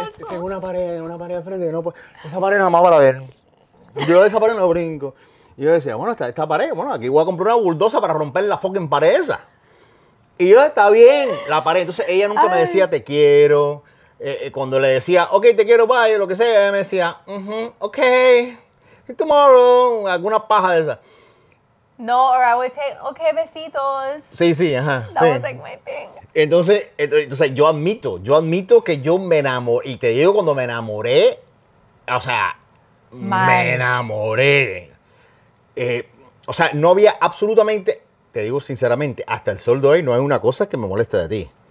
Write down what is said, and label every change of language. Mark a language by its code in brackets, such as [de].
[es] tengo una pared al frente, no, pues, esa pared nada más para ver. Yo esa pared no brinco. Y yo decía, bueno, esta pared, bueno, aquí voy a comprar una bulldoza para romper la fucking pared esa. Y yo, está bien, la pared. Entonces ella nunca me decía, te quiero. Cuando le decía, ok, te quiero, bye, lo que sea, ella me decía, ok. Tomorrow, alguna paja de esa. [en] No, or I would say, okay, besitos. [es] Sí, sí, ajá. [en] That [es] sí. [en] was like my thing. [es] Entonces, yo admito que yo me enamoré. Y te digo, cuando me enamoré, o sea, me enamoré. O sea, no había absolutamente, te digo sinceramente, hasta el sol de hoy no hay una cosa que me moleste de ti.